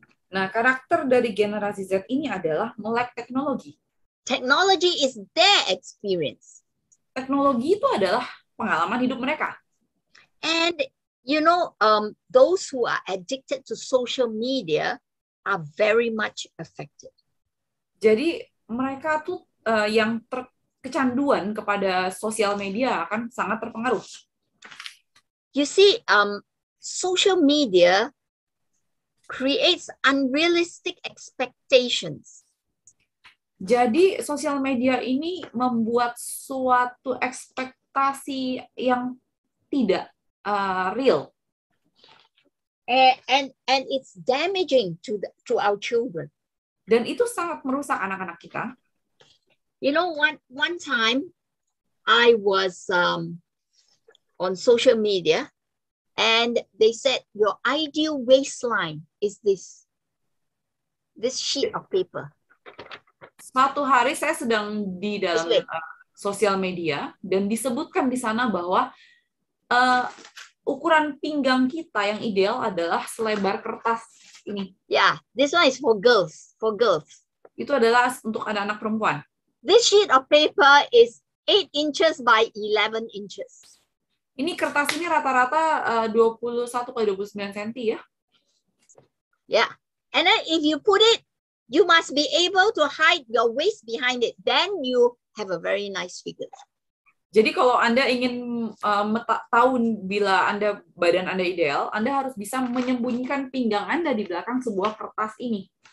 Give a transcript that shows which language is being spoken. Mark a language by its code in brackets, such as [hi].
[id] Nah, karakter dari generasi Z ini adalah melek teknologi. [en] Technology is their experience. [id] Teknologi itu adalah pengalaman hidup mereka. [en] And you know, those who are addicted to social media are very much affected. [id] Jadi mereka tuh yang kecanduan kepada sosial media akan sangat terpengaruh. [en] You see, social media creates unrealistic expectations. [id] Jadi sosial media ini membuat suatu ekspektasi yang tidak real. [en] And it's damaging to our children. [id] Dan itu sangat merusak anak-anak kita. [en] You know, one time I was on social media. And they said, your ideal waistline is this sheet of paper. [id] Suatu hari saya sedang di dalam sosial media, dan disebutkan di sana bahwa ukuran pinggang kita yang ideal adalah selebar kertas ini. [en] Yeah, this one is for girls. [id] Itu adalah untuk anak-anak perempuan. [en] This sheet of paper is 8 inches by 11 inches. [id] Ini kertas ini rata-rata 21x29 cm ya. [en] Yeah. And then if you put it, you must be able to hide your waist behind it. Then you have a very nice figure. [id] Jadi kalau Anda ingin tahu bila Anda badan Anda ideal, Anda harus bisa menyembunyikan pinggang Anda di belakang sebuah kertas ini.